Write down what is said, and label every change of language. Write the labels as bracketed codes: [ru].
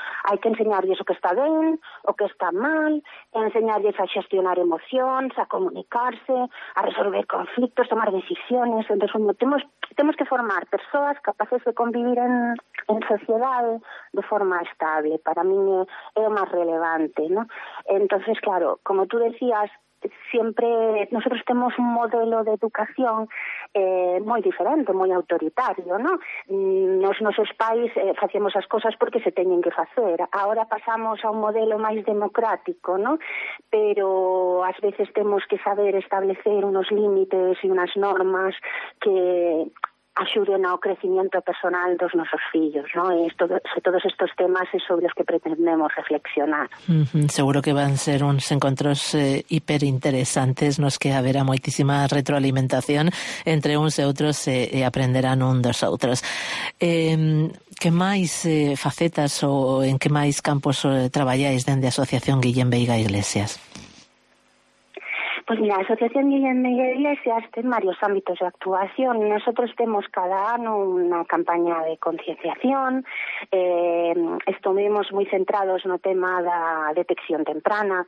[gl] Hai que enseñarles o que está ben, o que está mal, enseñarles a xestionar emocións, a comunicarse, a resolver conflictos, tomar decisiones. Entón, temos que formar persoas capaces de convivir en sociedade de forma estable. Para min é o máis relevante, ¿no? [es] Entonces, claro, como tú decías, siempre nosotros tenemos un modelo de educación muy diferente, muy autoritario, ¿no? [gl] Nosos pais facemos as cosas porque se teñen que facer. Ahora pasamos a un modelo máis democrático, ¿no? Pero ás veces temos que saber establecer unos límites e unas normas que axuden ao crecimiento personal dos nosos fillos, ¿no? E todos estos temas é sobre os que pretendemos reflexionar. Seguro que van ser uns encontros hiperinteresantes nos que haberá moitísima retroalimentación entre uns e outros e aprenderán un dos outros. Que máis facetas ou en que máis campos traballáis dende a Asociación Guillem Veiga Iglesias? Pues mira, a Asociación Guillem Veiga Iglesias ten varios ámbitos de actuación. Nosotros temos cada ano unha campaña de concienciación. Estuvimos moi centrados no tema da detección temprana.